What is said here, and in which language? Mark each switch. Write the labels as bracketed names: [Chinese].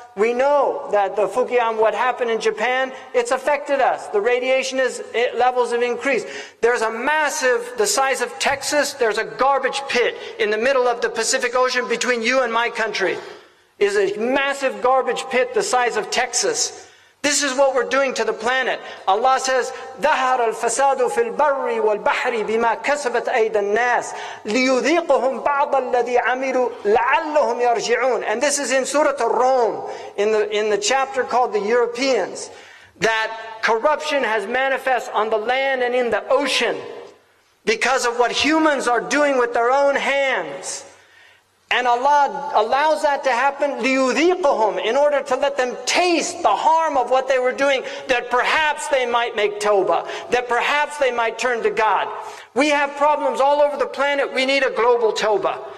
[English] We know that the Fukuyama, what happened in Japan, it's affected us. The radiation levels have increased. There's a massive, the size of Texas, there's a garbage pit in the middle of the Pacific Ocean between you and my country. It's a massive garbage pit the size of Texas. This is what we're doing to the planet. Allah says, [Arabic] ظَهَرَ الْفَسَادُ فِي الْبَرِّ وَالْبَحْرِ بِمَا كَسَبَتْ أَيْدَ النَّاسِ لِيُذِيقُهُمْ بَعْضَ الَّذِي عَمِلُوا لَعَلَّهُمْ يَرْجِعُونَ. [English] And this is in Surah Ar-Rum, in the chapter called The Europeans, that corruption has manifest on the land and in the ocean because of what humans are doing with their own hands. And Allah allows that to happen, لِيُذِيقُهُمْ, in order to let them taste the harm of what they were doing, that perhaps they might make tawbah, that perhaps they might turn to God. We have problems all over the planet. We need a global tawbah.